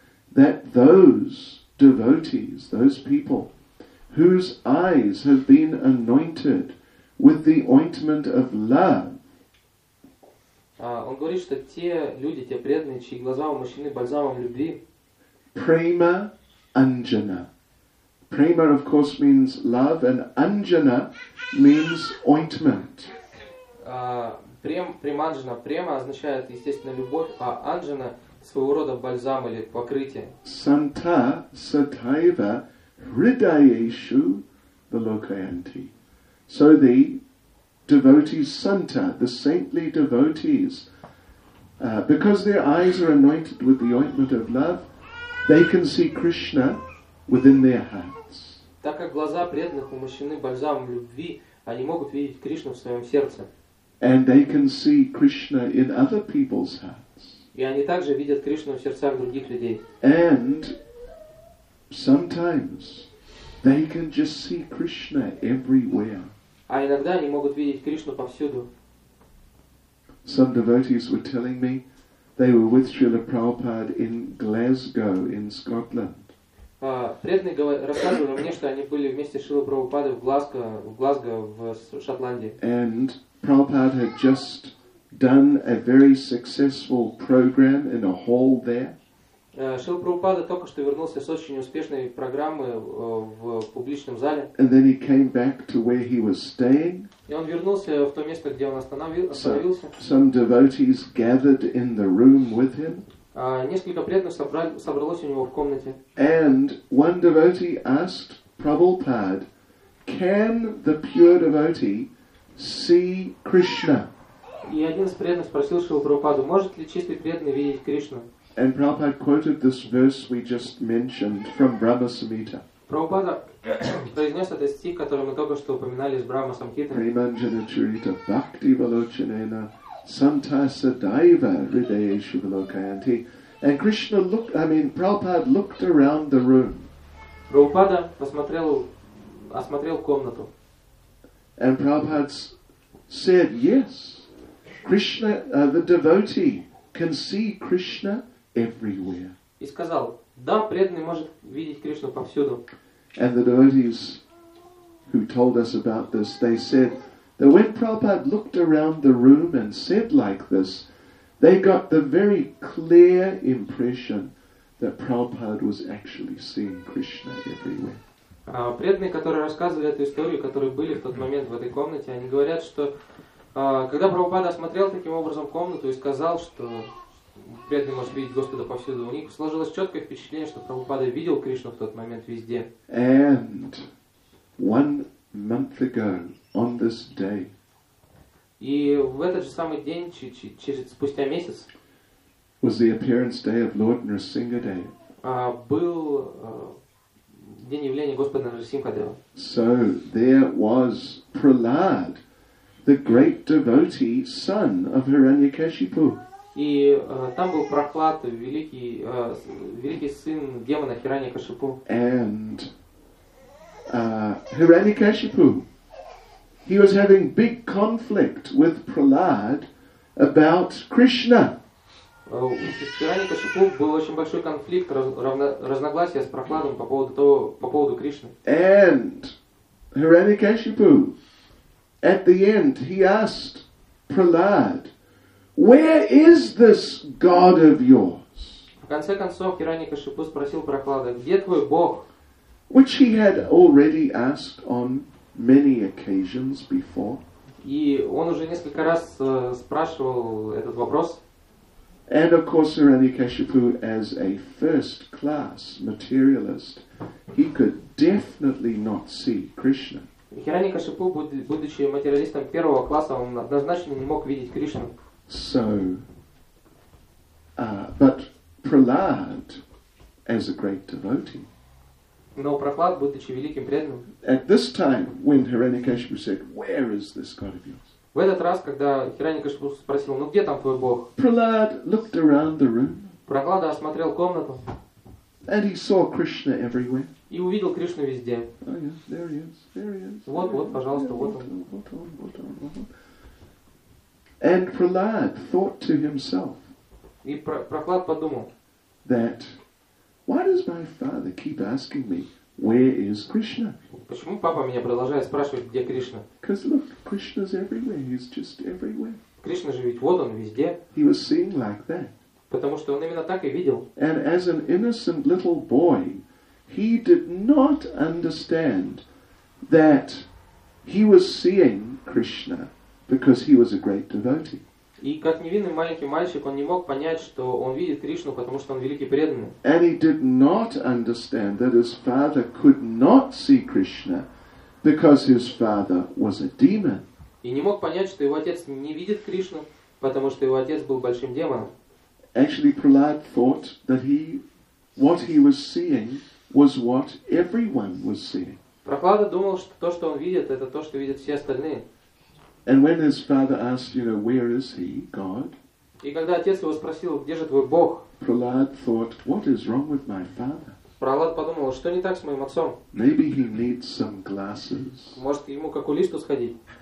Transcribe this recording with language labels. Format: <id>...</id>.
<en>That those devotees, those people whose eyes have been anointed with the ointment of love.</en> <ru>Он говорит, что те люди, те преданные, чьи глаза умощены бальзамом любви.</ru> <sa>Prema Anjana.</sa> <en>Prema, of course, means love, and Anjana means ointment.</en> <sa>Преманджана.</sa> <ru>Према означает, естественно, любовь, а Анджана – своего рода бальзам или покрытие.</ru> <sa>Санта сатайва ридаешу валокаянти.</sa> <en>So the devotees, Santa, the saintly devotees, because their eyes are anointed with the ointment of love, they can see Krishna within their hearts.</en> <ru>Так как глаза преданных умощены бальзамом любви, они могут видеть Кришну в своем сердце.</ru> <en>And they can see Krishna in other people's hearts.</en> <ru>И они также видят Кришну в сердцах других людей.</ru> <en>And sometimes they can just see Krishna everywhere.</en> <ru>А иногда они могут видеть Кришну повсюду.</ru> <en>Some devotees were telling me they were with Srila Prabhupada in Glasgow in Scotland.</en> <ru>Преданные рассказывали мне, что они были вместе с Шрилой Прабхупадой в Глазго, в Шотландии.</ru> <en>And Prabhupada had just done a very successful program in a hall there.</en> <ru>Шрила Прабхупада только что вернулся с очень успешной программы в публичном зале.</ru> <en>And then he came back to where he was staying.</en> <ru>И он вернулся в то место, где он остановился.</ru> <en>Some devotees gathered in the room with him.</en> <ru>Несколько преданных собралось у него в комнате.</ru> <en>And one devotee asked Prabhupada, "Can the pure devotee see Krishna?"</en> <ru>И один из преданных спросил Шрилу Прабхупаду, может ли чистый преданный видеть Кришну?</ru> <en>And Prabhupada quoted this verse we just mentioned from Brahma Samhita.</en> <ru>Prabhupada произнес этот стих, который мы только что упоминали из Брахма Самхиты.</ru> <sa>Приманджана чарита бхакти валочанена Santasa Daiva Rideshu Lokayanti.</sa> <en>And Krishna looked, Prabhupada looked around the room.</en> <ru>Prabhupada осмотрел комнату.</ru> <en>And Prabhupada said, yes, Krishna, the devotee can see Krishna everywhere.</en> <ru>И сказал, да, преданный может видеть Кришну повсюду.</ru> <en>And the devotees who told us about this, they said, that when Prabhupada looked around the room and said like this, they got the very clear impression that Prabhupada was actually seeing Krishna everywhere.</en> <ru>Преданные, которые рассказывали эту историю, которые были в тот момент в этой комнате, они говорят, что когда Прабхупада осмотрел таким образом комнату и сказал, что преданный может видеть Господа повсюду, у них сложилось четкое впечатление, что Прабхупада видел Кришну в тот момент везде.</ru> <en>And one month ago, on this day.</en> <ru>И в этот же самый день, спустя месяц,</ru> <en>was the appearance day of Lord Nrisimhadeva.</en> <ru>Был день явления Господа Нрисимхадева.</ru> <en>So there was Prahlad, the great devotee, son of Hiranyakashipu.</en> <ru>И там был Прохлад, великий сын демона Хираньякашипу.</ru> <en>And Hiranyakashipu. He was having big conflict with Prahlad about Krishna.</en> <ru>Хиранья-кашипу был очень большой конфликт, разногласия с Прохладом по поводу Кришны.</ru> <en>And Hiranyakashipu, at the end, he asked Prahlad, "Where is this God of yours?"</en> <ru>В конце концов Хиранья-кашипу спросил Прохлада, "Где твой Бог?"</ru> <en>Which he had already asked on many occasions before.</en> <ru>И он уже несколько раз спрашивал этот вопрос.</ru> <en>And of course, Hiranyakashipu, as a first-class materialist, he could definitely not see Krishna.</en> <ru>Хиранья-кашипу, будучи материалистом первого класса, он однозначно не мог видеть Кришну.</ru> <en>So, but Prahlad, as a great devotee.</en> <ru>Но Прохлад, будучи великим преданным.</ru> <en>At this time, when Hiranyakashipu said, "Where is this God of yours?"</en> <ru>В этот раз, когда Хиранья-кашипу спросил, "Ну где там твой Бог?"</ru> <en>Prahlad looked around the room.</en> <ru>Прохлада осмотрел комнату.</ru> <en>And he saw Krishna everywhere.</en> <ru>И увидел Кришну везде.</ru> <en>Oh yes, there he is, there he is.</en> <ru>Вот, пожалуйста, yeah, вот он. Вот он.</ru> <en>And Prahlad thought to himself.</en> <ru>И Прохлад подумал.</ru> <en>That why does my father keep asking me, where is Krishna?</en> <ru>Почему папа меня продолжает спрашивать, где Кришна?</ru> <en>Because look, Krishna's everywhere. He's just everywhere.</en> <ru>Кришна же ведь вот он везде.</ru> <en>He was seeing like that.</en> <ru>Потому что он именно так и видел.</ru> <en>And as an innocent little boy, he did not understand that he was seeing Krishna because he was a great devotee.</en> <ru>И как невинный маленький мальчик, он не мог понять, что он видит Кришну, потому что он великий преданный.</ru> <en>And he did not understand that his father could not see Krishna because his father was a demon.</en> <ru>И не мог понять, что его отец не видит Кришну, потому что его отец был большим демоном.</ru> <en>Actually, Prahlad thought that he, what he was seeing was what everyone was seeing.</en> <ru>Прохлада думал, что то, что он видит, это то, что видят все остальные.</ru> <en>And when his father asked, you know, where is he, God?</en> <ru>И когда отец его спросил, где же твой Бог?</ru> <en>Prahlad thought, what is wrong with my father?</en> <ru>Прохлад подумал, что не так с моим отцом?</ru> <en>Maybe he needs some glasses.</en> <ru>Может, ему к окулисту сходить?</ru>